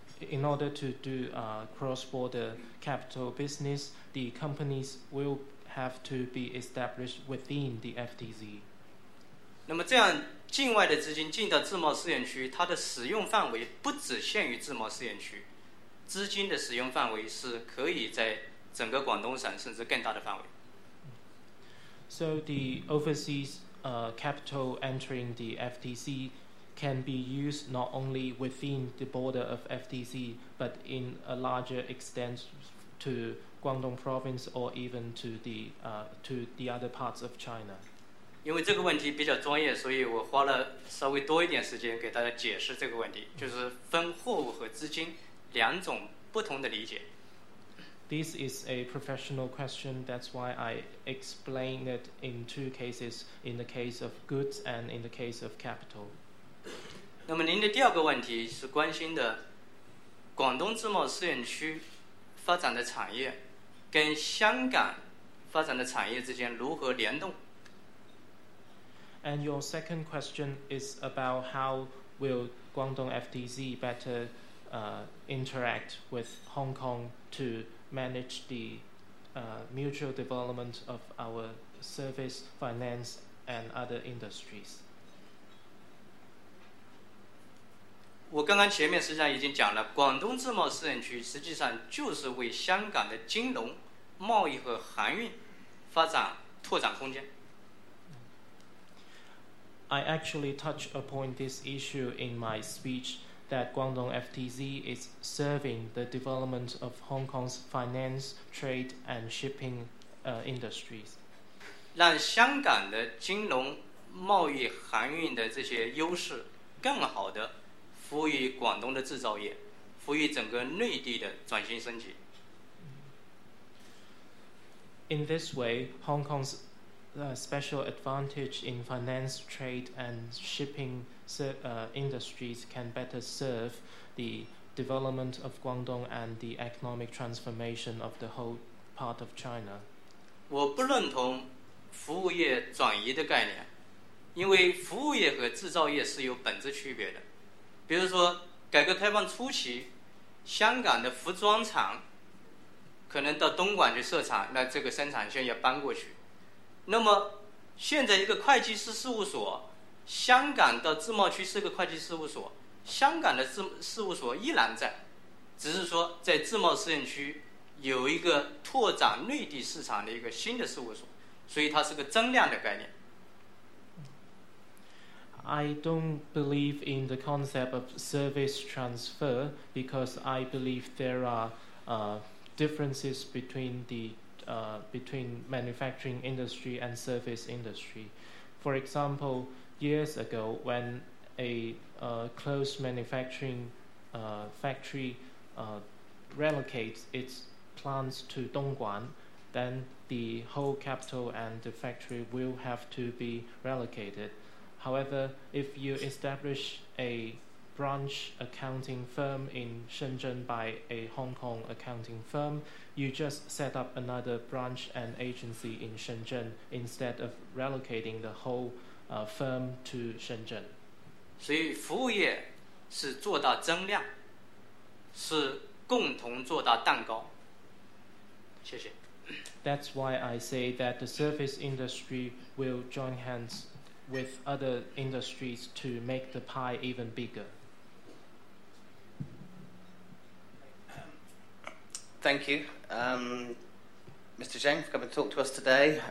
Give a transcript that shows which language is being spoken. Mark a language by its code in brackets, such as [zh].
[en] In order to do cross-border capital business, the companies will have to be established within the FTZ. [zh] 那么这样境外的资金进到自贸试验区，它的使用范围不只限于自贸试验区，资金的使用范围是可以在整个广东省甚至更大的范围。 [en] So the overseas capital entering the FTC can be used not only within the border of FTC, but in a larger extent to Guangdong province or even to the other parts of China. [zh] 因为这个问题比较专业，所以我花了稍微多一点时间给大家解释这个问题，就是分货物和资金两种不同的理解。 [en] This is a professional question, that's why I explain it in two cases, in the case of goods and in the case of capital. [zh] 那么您的第二个问题是关心的广东自贸试验区发展的产业跟香港发展的产业之间如何联动。 [en] And your second question is about how will Guangdong FTZ better interact with Hong Kong to manage the mutual development of our service, finance, and other industries. [zh] 我刚刚前面实际上已经讲了，广东自贸试验区实际上就是为香港的金融、贸易和航运发展拓展空间。 [en] I actually touch upon this issue in my speech that Guangdong FTZ is serving the development of Hong Kong's finance, trade, and shipping industries. [zh] 让香港的金融、贸易、航运的这些优势更好的服务于广东的制造业，服务于整个内地的转型升级。 [en] In this way, Hong Kong's special advantage in finance, trade, and shipping industries can better serve the development of Guangdong and the economic transformation of the whole part of China. [zh] 我不认同服务业转移的概念，因为服务业和制造业是有本质区别的。比如说改革开放初期，香港的服装厂可能到东莞去设厂，那这个生产线要搬过去。那么现在一个会计师事务所，香港到自贸区是个会计事务所，香港的事务所依然在，只是说在自贸试验区有一个拓展内地市场的一个新的事务所，所以它是个增量的概念。 [en] I don't believe in the concept of service transfer because I believe there are differences between the between manufacturing industry and service industry. For example, years ago, when a closed manufacturing factory relocates its plants to Dongguan, then the whole capital and the factory will have to be relocated. However, if you establish a branch accounting firm in Shenzhen by a Hong Kong accounting firm, you just set up another branch and agency in Shenzhen instead of relocating the whole firm to Shenzhen. [zh] 所以服务业是做到增量，是共同做到蛋糕。谢谢。 [en] That's why I say that the service industry will join hands. With other industries to make the pie even bigger. Thank you, Mr. Zheng, for coming to talk to us today.